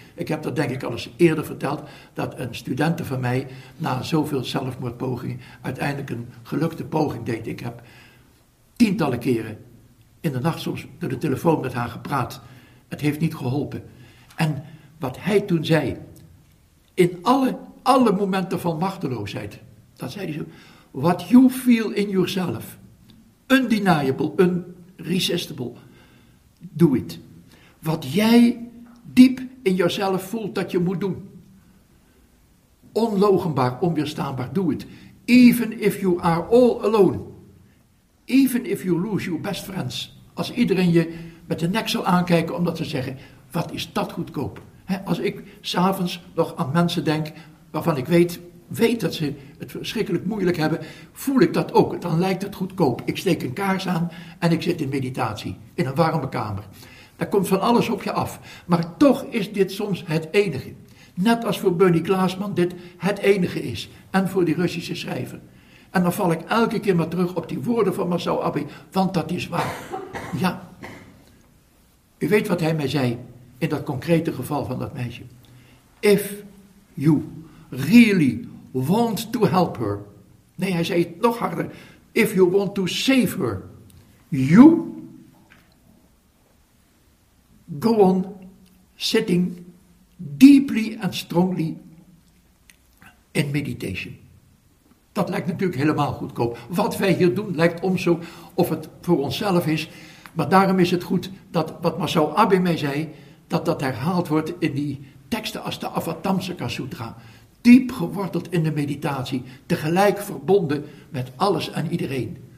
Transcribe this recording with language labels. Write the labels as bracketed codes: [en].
[nl] Ik heb dat denk ik al eens eerder verteld, dat een studente van mij na zoveel zelfmoordpogingen uiteindelijk een gelukte poging deed. Ik heb tientallen keren in de nacht soms door de telefoon met haar gepraat. Het heeft niet geholpen. En wat hij toen zei, in alle momenten van machteloosheid. Dat zei hij zo. [en] What you feel in yourself. Undeniable. Unresistible. Do it. [nl] Wat jij diep in jezelf voelt dat je moet doen. Onlogenbaar. Onweerstaanbaar. [en] Do it. Even if you are all alone. Even if you lose your best friends. [nl] Als iedereen je met de nek zal aankijken omdat ze zeggen, wat is dat goedkoop. He, als ik 's avonds nog aan mensen denk waarvan ik weet dat ze het verschrikkelijk moeilijk hebben, voel ik dat ook. Dan lijkt het goedkoop. Ik steek een kaars aan en ik zit in meditatie, in een warme kamer. Daar komt van alles op je af. Maar toch is dit soms het enige. Net als voor Bernie Glassman dit het enige is. En voor die Russische schrijver. En dan val ik elke keer maar terug op die woorden van Masao Abe, want dat is waar. Ja. U weet wat hij mij zei in dat concrete geval van dat meisje. [en] If you really want to help her. [nl] Nee, hij zei het nog harder. [en] If you want to save her, you go on sitting deeply and strongly in meditation. [nl] Dat lijkt natuurlijk helemaal goedkoop. Wat wij hier doen lijkt om zo of het voor onszelf is. Maar daarom is het goed dat wat Masao Abe mij zei, dat herhaald wordt in die teksten als de Avatamsaka Sutra. Diep geworteld in de meditatie, tegelijk verbonden met alles en iedereen.